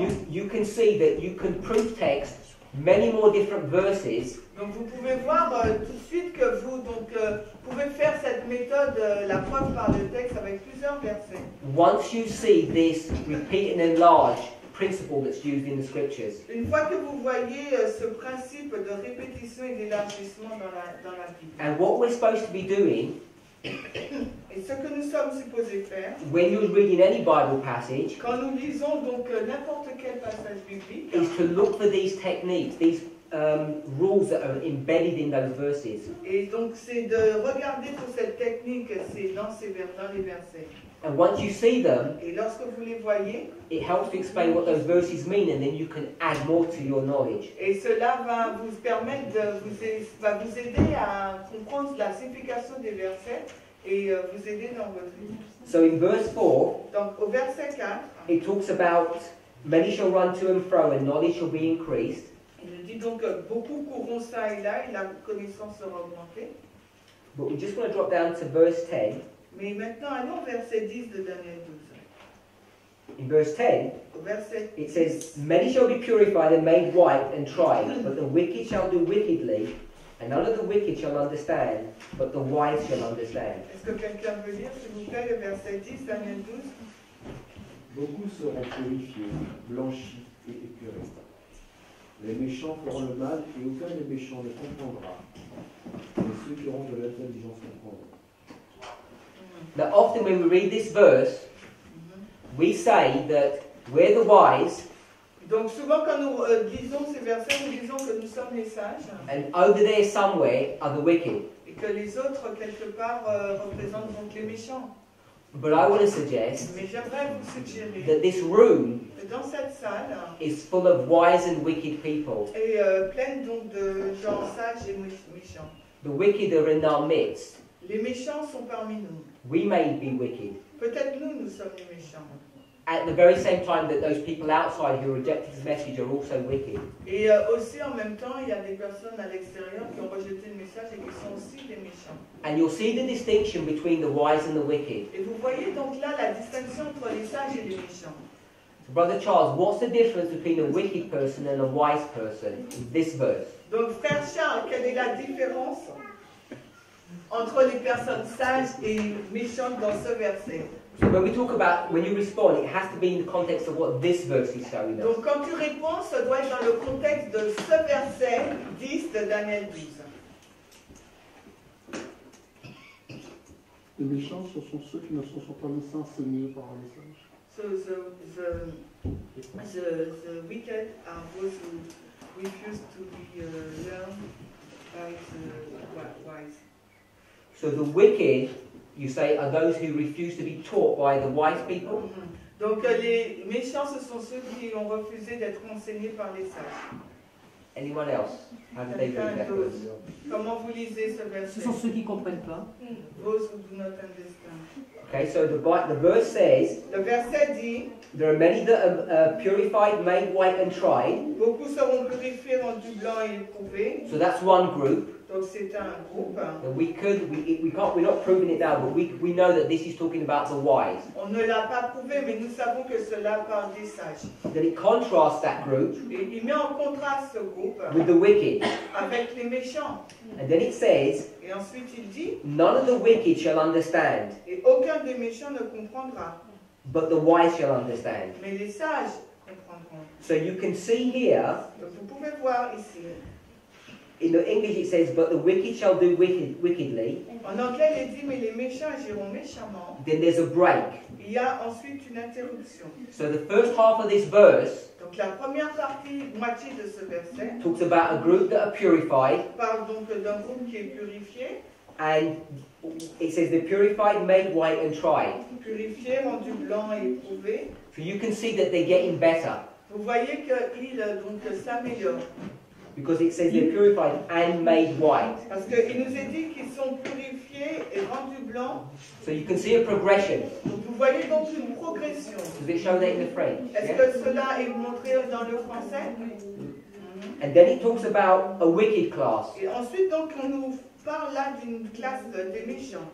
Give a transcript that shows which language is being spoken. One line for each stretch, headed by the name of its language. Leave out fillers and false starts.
English: you can see that you can proof text many more different verses.
French: Donc vous pouvez voir tout de suite que vous donc pouvez faire cette méthode la preuve par le texte avec plusieurs versets.
English: Once you see this repeat and enlarge principle that's used in the scriptures.
French: Une fois que vous voyez ce principe de répétition et d'élargissement dans la Bible.
English: And what we're supposed to be doing.
French: Et ce que nous sommes supposés faire,
English: when you're reading any Bible passage,
French: quand nous lisons donc n'importe quel passage biblique,
English: is to look for these techniques, these rules that are embedded in those verses.
French: Et donc c'est de regarder pour cette technique, c'est dans les versets.
English: And once you see them,
French: et lorsque vous les voyez,
English: it helps to explain what those verses mean, and then you can add more to your knowledge.
French: Et cela va vous permettre de vous aider à comprendre la signification des versets et vous aider dans votre vie.
English: So in verse 4,
French: donc au verset 4,
English: it talks about many shall run to and fro, and knowledge shall be increased.
French: Il dit donc beaucoup courront ça et là, et la connaissance sera augmentée.
English: But we just want to drop down to verse 10.
French: Mais maintenant, allons au verset 10 de Daniel 12.
English: In verse 10,
French: au verset 10,
English: it says, many shall be purified and made white and tried, but the wicked shall do wickedly, and none of the wicked shall understand, but the wise shall understand.
French: Est-ce que quelqu'un veut lire, s'il vous plaît, le verset 10, Daniel 12? Beaucoup seront purifiés, blanchis et épurés. Les méchants feront le mal et aucun des méchants ne comprendra. Mais ceux qui auront de l'intelligence comprendront.
English: Now often when we read this verse, we say that we're the wise.
French: Donc souvent quand nous lisons ces versets, nous disons que nous sommes les sages.
English: And over there somewhere are the wicked.
French: Et que les autres quelque part représentent donc les méchants.
English: But I want to suggest
French: vous
English: that this room
French: dans cette salle,
English: is full of wise and wicked people.
French: Et pleine donc de gens sages et méchants.
English: The wicked are in our midst.
French: Les méchants sont parmi nous.
English: We may be wicked.
French: Peut-être nous sommes les méchants.
English: At the very same time that those people outside who rejected the message are also wicked.
French: Et aussi en même temps, il y a des personnes à l'extérieur qui ont rejeté le message et qui sont aussi des méchants.
English: And you'll see the distinction between the wise and the wicked.
French: Et vous voyez donc là la distinction entre les sages et les méchants.
English: So Brother Charles, what's the difference between a wicked person and a wise person in this verse?
French: Donc Frère Charles, quelle est la différence entre les personnes sages et méchantes dans ce verset?
English: So when we talk about when you respond, it has to be in the context of what this verse is showing us.
French: Donc quand tu réponds, ça doit être dans le contexte de ce verset 10 de Daniel 12. Les méchants, ce sont ceux qui ne se sont pas mis enseignés par les sages.
English: So the wicked are those who refuse to be learned by the wise. So the wicked, you say, are those who refuse to be taught by the wise people? Mm-hmm.
French: Donc les méchants, ce sont ceux qui ont refusé d'être enseignés par les sages.
English: Anyone else? How do they read that verse?
French: Comment vous lisez ce verset? Ce sont ceux qui ne comprennent pas.
English: Those who do not understand. Okay, so the verse says,
French: le verset dit,
English: there are many that are purified, made white and tried.
French: Beaucoup seront purifiés, rendus blancs et éprouvés.
English: So that's one group.
French: Donc c'est un groupe.
English: And we're not proving it now, but we know that this is talking about the wise.
French: On ne l'a pas prouvé, mais nous savons que cela parle des sages.
English: That it contrasts that group.
French: Il met en contraste ce groupe.
English: With the wicked.
French: Avec les méchants.
English: And then it says,
French: et ensuite il dit,
English: none of the wicked shall understand.
French: Et aucun des méchants ne comprendra.
English: But the wise shall understand.
French: Mais les sages comprendront.
English: So you can see here.
French: Donc vous pouvez voir ici.
English: In the English it says, but the wicked shall do wickedly.
French: En anglais il dit, mais les méchants agiront méchamment.
English: Then there's a break.
French: Il y a ensuite une interruption.
English: So the first half of this verse.
French: Donc la première partie, moitié de ce verset.
English: Talks about a group that are purified.
French: Parle donc d'un groupe qui est purifié.
English: And it says the purified, made white and tried.
French: Purifié, rendu blanc et éprouvé.
English: So you can see that they're getting better.
French: Vous voyez qu'ils donc s'améliorent.
English: Because it says they're purified and made white.
French: Parce que il nous est dit qu'ils sont purifiés et rendus blancs.
English: So you can see a progression.
French: Donc vous voyez donc une progression.
English: Does it show that in the French?
French: Est-ce que cela est montré dans le français? Oui.
English: And then it talks about a wicked class.
French: Et ensuite donc on nous parle là d'une classe des méchants.